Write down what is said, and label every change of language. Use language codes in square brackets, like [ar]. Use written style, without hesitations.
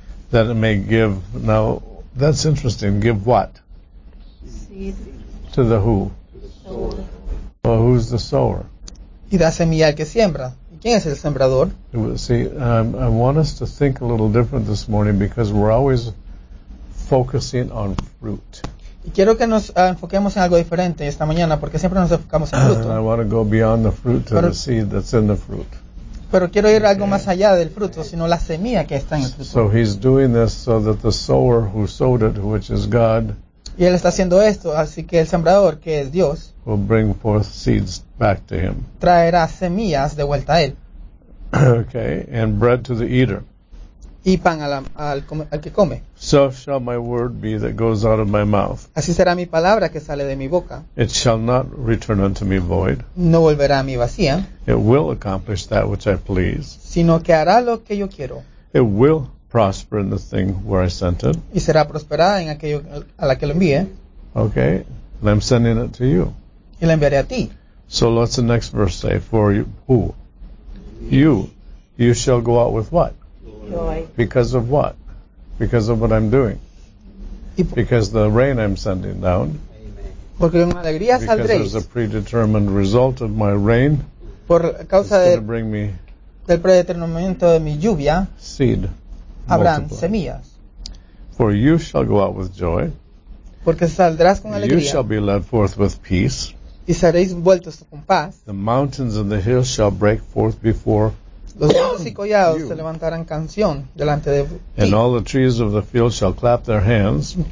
[en] That it may give, now, that's interesting, give what? Seed. To the who? The sower. Well, who's the sower? [es] Y da semilla al que siembra. ¿Quién es el sembrador? [en] See, I want us to think a little different this morning because we're always focusing on fruit. [es] Y quiero que nos enfoquemos en algo diferente esta mañana porque siempre nos enfocamos en fruto. [en] I want to go beyond the fruit to the seed that's in the fruit. [es] Pero quiero ir algo más allá del fruto, sino la semilla que está en el fruto. [en] So he's doing this so that the sower who sowed it, which is God, [es] y él está haciendo esto, así que el sembrador, que es Dios, [en] will bring forth seeds back to him. [es] Traerá semillas de vuelta a él. [en] Okay, and bread to the eater. [es] Y pan al que come. [en] So shall my word be that goes out of my mouth. [es] Así será mi palabra que sale de mi boca. [en] It shall not return unto me void. [es] No volverá a mí vacía. [en] It will accomplish that which I please. [es] Sino que hará lo que yo quiero. [en] It will prosper in the thing where I sent it. [es] Y será prosperada en aquello a la que lo envíe. [en] Okay, and I'm sending it to you. [es] Y la enviaré a ti. [en] So what's the next verse say? For you, who? You. You shall go out with what? Joy. Because of what? Because of what I'm doing. Because the rain I'm sending down. [es] Porque con alegría saldréis. [en] Because there's a predetermined result of my rain. [es] Por causa [en] it's going to bring me [es] del predeterminamiento de mi lluvia. [en] Seed. [es] Habrán semillas. [en] For you shall go out with joy. [es] Porque saldrás con alegría. [en] You shall be led forth with peace. [es] Y seréis vueltos con paz. [en] The mountains and the hills shall break forth before [es] Los montes y collados se levantarán canción delante de ti. [en] And all the trees of the field shall clap their hands.